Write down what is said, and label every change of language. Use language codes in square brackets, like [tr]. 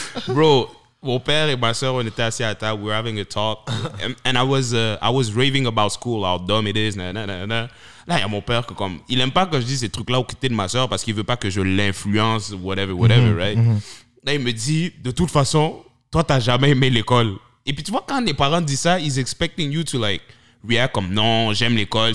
[fr] Bro, Mon père et ma soeur, on était assis à table. [en] We were having a talk. And I was raving about school, how dumb it is. [fr] Là, il y a mon père qui comme... Il n'aime pas que je dise ces trucs-là au côté de ma soeur parce qu'il ne veut pas que je l'influence, [en] whatever, whatever, [fr] mm-hmm. right? Mm-hmm. Là, il me dit, de toute façon, toi, tu n'as jamais aimé l'école. Et puis, tu vois, quand les parents disent ça, ils [en] expecting you to, like, react [fr] comme, non, j'aime l'école.